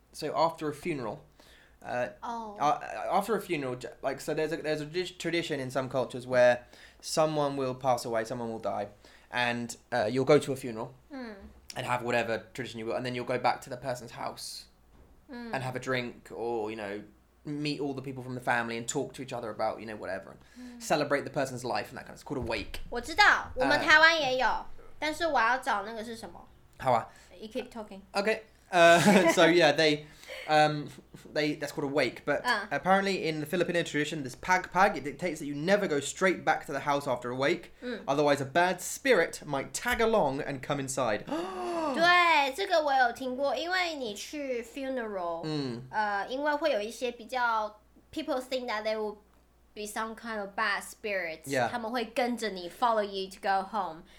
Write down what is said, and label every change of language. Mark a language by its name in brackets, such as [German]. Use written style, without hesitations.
[English] So after a funeral. After a funeral, like, so there's a tradition in some cultures where someone will pass away, someone will die, and you'll go to a funeral and have whatever tradition you will, and then you'll go back to the person's house and have a drink, or, you know, meet all the people from the family and talk to each other about, you know, whatever, and celebrate the person's life and that kind of, it's called a wake. [Chinese] 我知道,我们台湾也有, 但是我要找那个是什么? [English] How You keep talking. Okay, so yeah, that's called a wake, but apparently in the Filipino tradition, this pagpag, it dictates that you never go straight back to the house after a wake, otherwise a bad spirit might tag along and come inside. [Chinese] 对,这个我有听过,因为你去 funeral, 因为会有一些比较, [English] people think that they will be some kind of bad spirits, [Chinese] 他们会跟着你, [English] follow you to go home.